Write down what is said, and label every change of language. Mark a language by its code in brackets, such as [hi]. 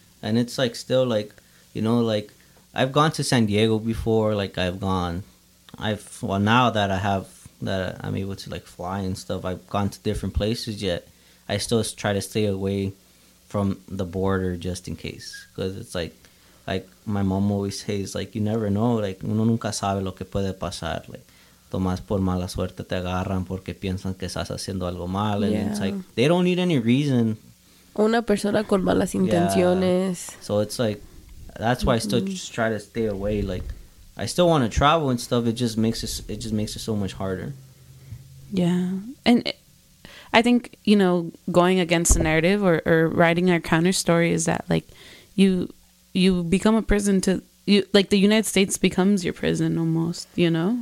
[en] And it's like, still, like, you know, like, I've gone to San Diego before, like, I'm able to, like, fly and stuff, I've gone to different places, yet I still try to stay away from the border just in case, because it's like, like, my mom always says, like, you never know. [es] Like, uno nunca sabe lo que puede pasar. Like, tomas por mala suerte te agarran porque piensan que estás haciendo algo mal. [en] And it's like, they don't need any reason. [es] Una persona con malas intenciones. [en] Yeah. So it's like, that's why I still just try to stay away. Like, I still want to travel and stuff. It just makes it so much harder. Yeah. And I think, you know, going against the narrative or writing our counter story is that, like, you become a prison to you, like, the United States becomes your prison almost, you know?